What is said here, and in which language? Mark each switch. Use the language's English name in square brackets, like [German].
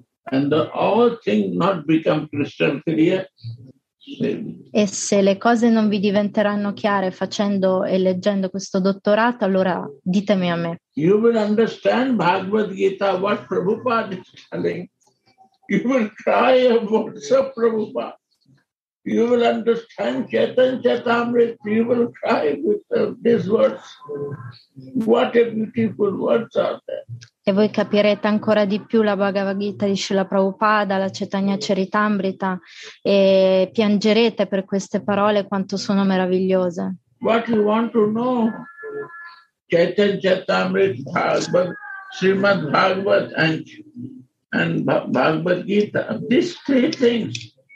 [English] And the all things not become crystal clear. [Italian] E se le cose non vi diventeranno chiare facendo e leggendo questo dottorato, allora ditemi a me. [English] You will understand Bhagavad Gita, what Prabhupada is telling. You will cry about Prabhupada. you will understand Chaitanya Charitamrita, you will cry with these words. What a beautiful words are there. [Italian] E voi capirete ancora di più la Bhagavad Gita di Srila Prabhupada, la Chaitanya Charitamrita, e piangerete per queste parole quanto sono meravigliose. [English] What you want to know? Chaitanya Charitamrita, Bhagavad, Srimad Bhagavat and Bhagavad Gita, these three things.